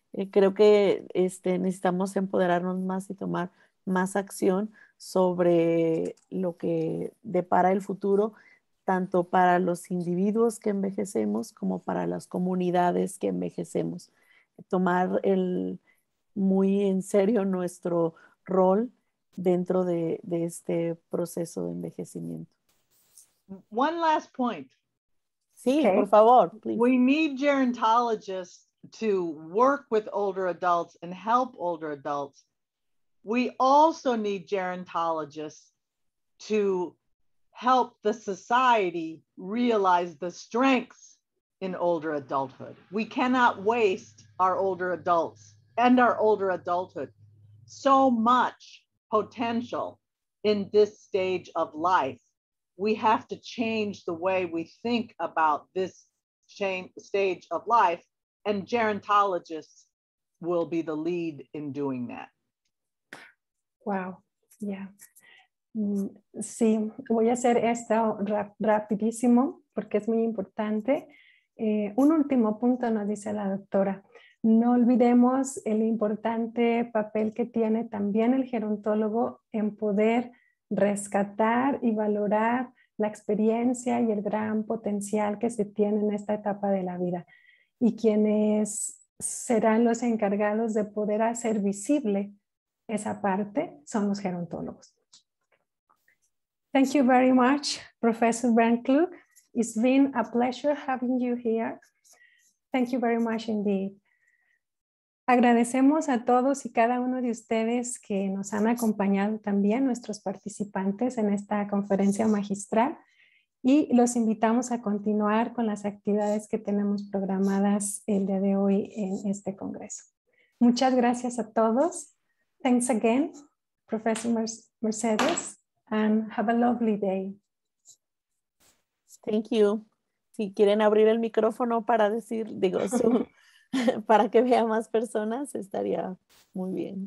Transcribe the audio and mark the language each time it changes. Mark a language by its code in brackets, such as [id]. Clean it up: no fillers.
[es] Creo que necesitamos empoderarnos más y tomar más acción sobre lo que depara el futuro, tanto para los individuos que envejecemos como para las comunidades que envejecemos. Tomar muy en serio nuestro rol dentro de este proceso de envejecimiento. [en] One last point. [es] Sí, okay. Por favor, please. [en] We need gerontologists to work with older adults and help older adults. We also need gerontologists to help the society realize the strengths in older adulthood. We cannot waste our older adults and our older adulthood. So much potential in this stage of life. We have to change the way we think about this stage of life, and gerontologists will be the lead in doing that. Wow, yeah. [es] Sí, voy a hacer esto rapidísimo porque es muy importante. Un último punto nos dice la doctora. No olvidemos el importante papel que tiene también el gerontólogo en poder rescatar y valorar la experiencia y el gran potencial que se tiene en esta etapa de la vida. Y quienes serán los encargados de poder hacer visible esa parte son los gerontólogos. [en] Thank you very much, Professor Bernclug. It's been a pleasure having you here. Thank you very much indeed. [es] Agradecemos a todos y cada uno de ustedes que nos han acompañado también, nuestros participantes en esta conferencia magistral, y los invitamos a continuar con las actividades que tenemos programadas el día de hoy en este congreso. Muchas gracias a todos. [en] Thanks again, Professor Mercedes, and have a lovely day. Thank you. [es] Si quieren abrir el micrófono para decir, digo, su, para que vea más personas, estaría muy bien.